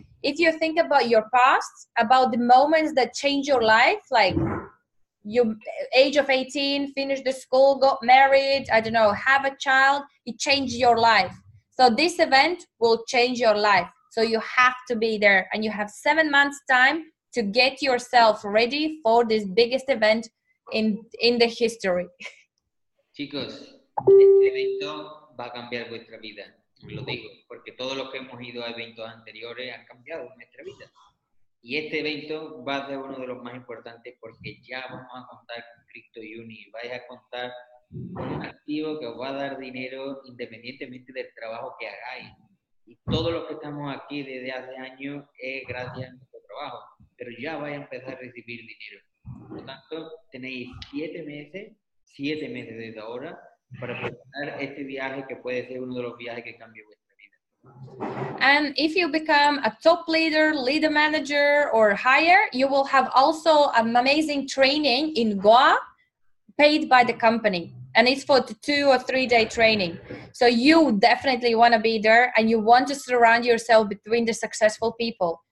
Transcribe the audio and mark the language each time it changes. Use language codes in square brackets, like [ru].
[en] If you think about your past, about the moments that change your life, like you, age of 18, finished the school, got married, I don't know, have a child, it changed your life. So this event will change your life. So you have to be there, and you have 7 months time to get yourself ready for this biggest event in the history. [es] Chicos, este evento va a cambiar vuestra vida. Lo digo, porque todos los que hemos ido a eventos anteriores han cambiado nuestra vida. Y este evento va a ser uno de los más importantes porque ya vamos a contar con Crypto Uni. Vais a contar con un activo que os va a dar dinero independientemente del trabajo que hagáis. Y todo lo que estamos aquí desde hace años es gracias a nuestro trabajo. Pero ya vais a empezar a recibir dinero. Por lo tanto, tenéis 7 meses desde ahora para preparar este viaje que puede ser uno de los viajes que cambie vuestra vida. [en] And if you become a top leader, leader manager or higher, you will have also an amazing training in Goa paid by the company. And it's for 2 or 3 day training. So you definitely want to be there and you want to surround yourself between the successful people.